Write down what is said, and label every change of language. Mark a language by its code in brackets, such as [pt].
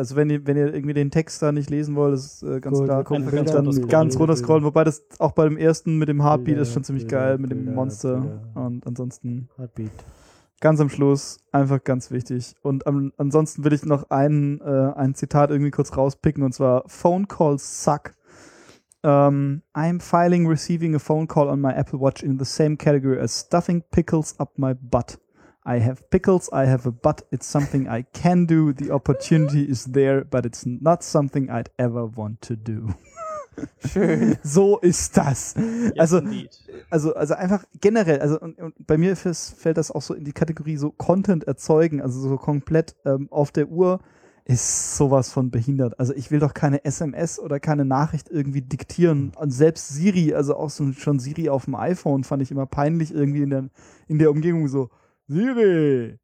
[de] Also wenn ihr irgendwie den Text da nicht lesen wollt, ist ganz klar, ganz runter scrollen. Wobei das auch bei dem ersten mit dem Heartbeat ist schon ziemlich geil, mit dem Monster. Und ansonsten Heartbeat. Ganz am Schluss, einfach ganz wichtig. Und ansonsten will ich noch ein Zitat irgendwie kurz rauspicken, und zwar: [en] Phone calls suck. I'm filing receiving a phone call on my Apple Watch in the same category as stuffing pickles up my butt. I have pickles, I have a butt, it's something I can do, the opportunity is there, but it's not something I'd ever want to do. [de] Schön. So ist das. Yes, also einfach generell, also und bei mir fällt das auch so in die Kategorie so Content erzeugen, also so komplett auf der Uhr ist sowas von behindert. Also ich will doch keine SMS oder keine Nachricht irgendwie diktieren. Und selbst Siri, also auch so schon Siri auf dem iPhone, fand ich immer peinlich irgendwie in der Umgebung so, Siri!